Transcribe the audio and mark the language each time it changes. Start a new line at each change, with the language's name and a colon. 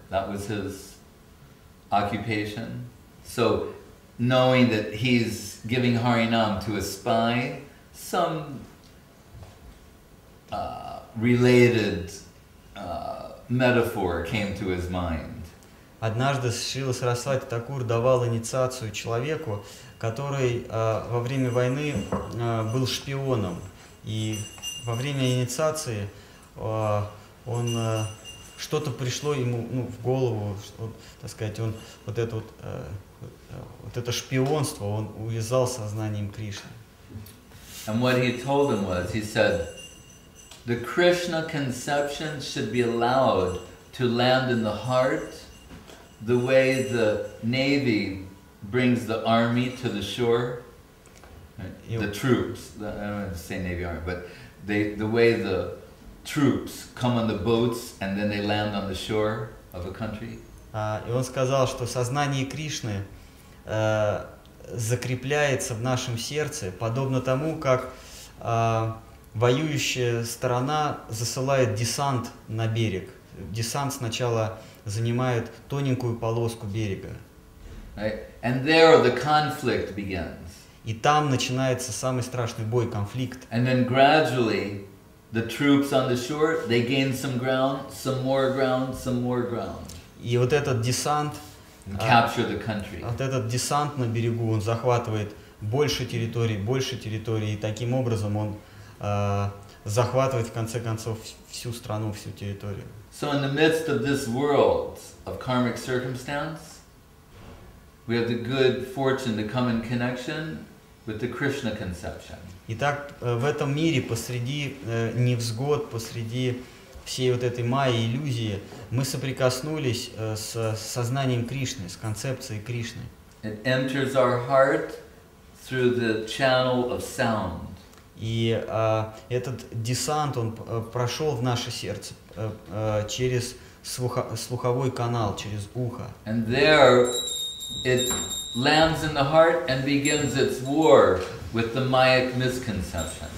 English: That was his occupation. So knowing that he's giving Harinam to a spy, some related metaphor came to his mind.
Russian: Однажды Шрила Сарасвати Такур давал инициацию человеку, который во время войны был шпионом. И во время инициации он что-то пришло ему в голову, что, так сказать, он это шпионство он увязал сознанием Кришны.
English: And what he told him was, he said, the Krishna conception should be allowed to land in the heart the way the Navy brings the army to the shore, right? The troops, I don't want to say Navy army, but the way the troops come on the boats and then they land on the shore of a country.
Russian: И он сказал, что сознание Кришны закрепляется в нашем сердце, подобно тому, как воюющая сторона засылает десант на берег. Десант сначала занимает тоненькую полоску берега.
English: Right. And there the conflict begins.
Russian: И там начинается самый страшный бой, конфликт.
English: And then gradually the troops on the shore, they gain some ground, some more ground, some more ground.
Russian: И вот этот десант,
English: and capture the country.
Russian: Вот этот десант на берегу, он захватывает больше территории, и таким образом он захватывать в конце концов всю страну, всю территорию.
English: So in the midst of this world of karmic circumstance, we have the good fortune to come in connection with the Krishna conception.
Russian: Итак, в этом мире посреди невзгод, посреди всей вот этой майи, иллюзии, мы соприкоснулись с сознанием Кришны, с концепцией Кришны.
English: It enters our heart through the channel of sound.
Russian: И этот десант, он прошел в наше сердце через слуховой канал, через ухо.
English: And there it lands in the heart and begins its war with the mayic misconception.